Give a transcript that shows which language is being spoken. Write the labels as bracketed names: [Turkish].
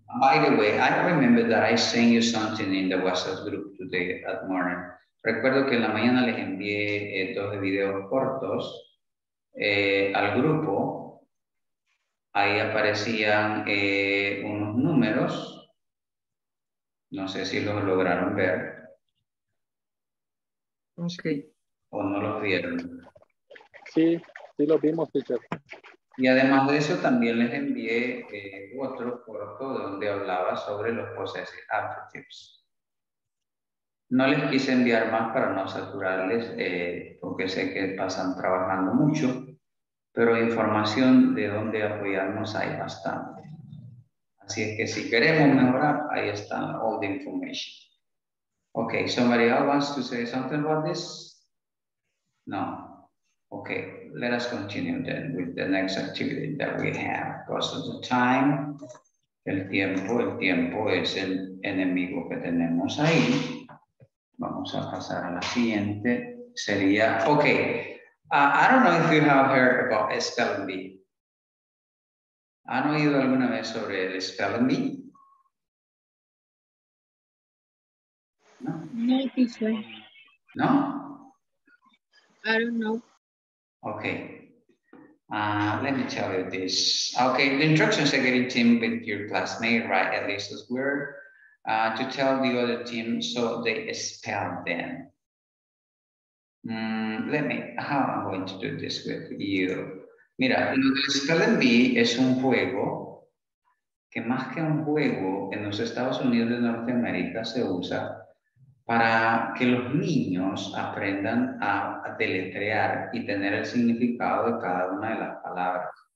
[English] By the way, I remember that I sent you something in the WhatsApp group today at morning. [Spanish] Recuerdo que en la mañana les envié dos videos cortos al grupo. Ahí aparecían unos números. No sé si lo lograron ver. [English] Okay. [Spanish] O no los vieron. Sí, sí los vimos, teacher. Y además de eso, también les envié otro corto donde hablaba sobre los possessive adjectives. No les quise enviar más para no saturarles, porque sé que pasan trabajando mucho, pero información de dónde apoyarnos hay bastante. Así es que si queremos mejorar, ahí está [English] all the information. Okay, somebody else wants to say something about this? No. Okay, let us continue then with the next activity that we have. Because of the time, [Spanish] el tiempo es el enemigo que tenemos ahí. Vamos a pasar a la siguiente. Sería, okay. [English] I don't know if you have heard about spelling bee. [Spanish] ¿Han oído alguna vez sobre el spelling bee? [English] No, no, this way. No? I don't know. Okay. Let me tell you this. Okay, the instructions are getting team with your classmate, right? At least as we're to tell the other team so they spell them. How I'm going to do this with you. [Spanish] Mira, lo del spelling bee es un juego que más que un juego en los Estados Unidos de Norteamérica se usa para que los niños aprendan a deletrear y tener el significado de cada una de las palabras.